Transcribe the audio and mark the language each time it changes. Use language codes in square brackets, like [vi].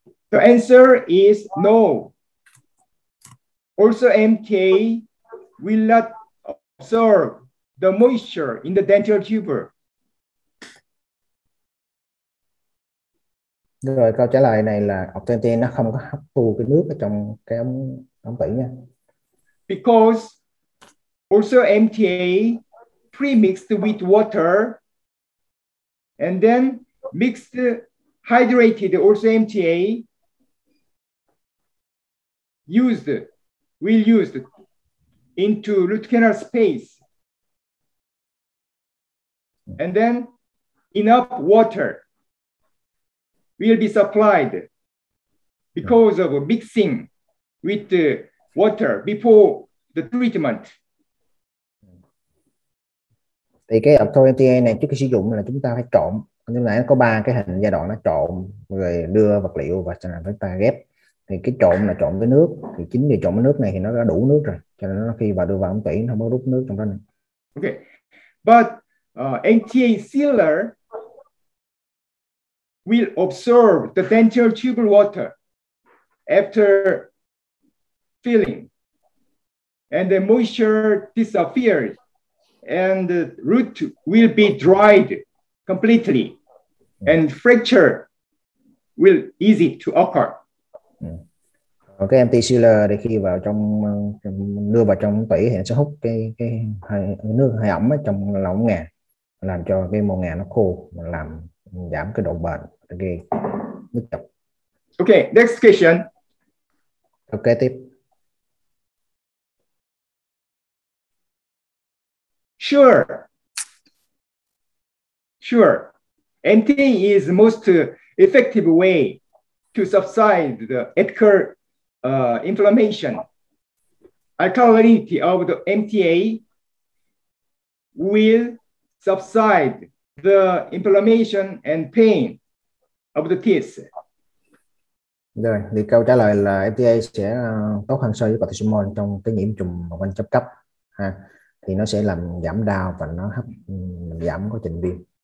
[en] The answer is no. Also, MTA will not absorb the moisture in the dental tube. [vi] Rồi câu trả lời này là MTA nó không có hấp thu cái nước ở trong cái ống tử nha. [en] Because also MTA pre-mixed with water and then mixed hydrated also MTA used will use into root canal space. And then enough water will be supplied because of mixing with the water before the treatment. [vi] Thì cái obturator MTA này trước khi sử dụng là chúng ta phải trộn, nhưng mà nó có ba cái hình giai đoạn, nó trộn rồi đưa vật liệu và sau này chúng ta ghép. Thì cái trộn là trộn với nước, thì chính vì trộn với nước này thì nó đã đủ nước rồi, cho nên nó khi vào đưa vào ống tuyển nó không có rút nước trong đó nữa. [en] Okay, but MTA sealer will absorb the dental tubular water after filling, and the moisture disappears. And the root will be dried completely, and fracture will easy to occur. [vi] Okay, MTA sealer để khi vào trong đưa vào trong tủy thì sẽ hút cái nước hơi ẩm ở trong lòng ngà, làm cho cái màu ngà nó khô, làm giảm cái độ bền, gây nứt chập. [en] Okay, next question. [vi] Okay, tiếp. [en] Sure. MTA is the most effective way to subside the apical inflammation. Alkalinity of the MTA will subside the inflammation and pain of the teeth. [vi] Rồi, thì câu trả lời là MTA sẽ tốt hơn so với cortisone trong cái nhiễm trùng quanh chấp cấp. Ha. Thì nó sẽ làm giảm đau và nó hấp giảm quá trình viêm.